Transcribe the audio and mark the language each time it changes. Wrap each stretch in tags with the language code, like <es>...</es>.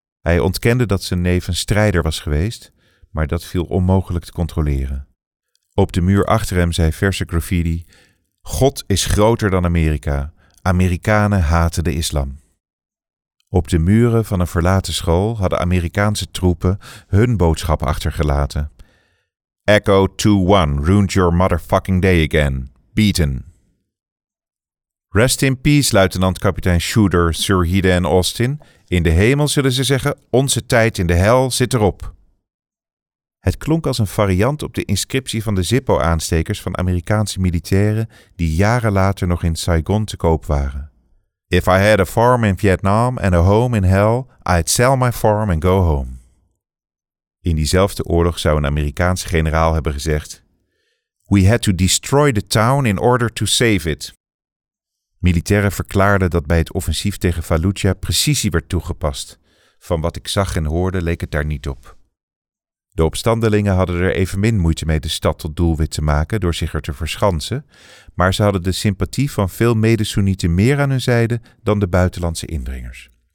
<nl>Hij ontkende dat zijn neef een strijder was geweest, maar dat viel onmogelijk te controleren. Op de muur achter hem zei verse graffiti: God is groter dan Amerika. Amerikanen haten de islam. Op de muren van een verlaten school hadden Amerikaanse troepen hun boodschap achtergelaten.</nl> <en>Echo 2-1, ruined your motherfucking day again. Beaten. Rest in peace, luitenant-kapitein Shooter, Sir Hide en Austin.</en> <nl>In de hemel zullen ze zeggen, onze tijd in de hel zit erop. Het klonk als een variant op de inscriptie van de Zippo-aanstekers van Amerikaanse militairen die jaren later nog in Saigon te koop waren.</nl> <en>If I had a farm in Vietnam and a home in hell, I'd sell my farm and go home.</en> <nl>In diezelfde oorlog zou een Amerikaanse generaal hebben gezegd,</nl> <en>we had to destroy the town in order to save it.</en> <nl>Militairen verklaarden dat bij het offensief tegen Fallujah precisie werd toegepast. Van wat ik zag en hoorde leek het daar niet op. De opstandelingen hadden er evenmin moeite mee de stad tot doelwit te maken door zich er te verschansen, maar ze hadden de sympathie van veel mede-Soenieten meer aan hun zijde dan de buitenlandse indringers.</nl>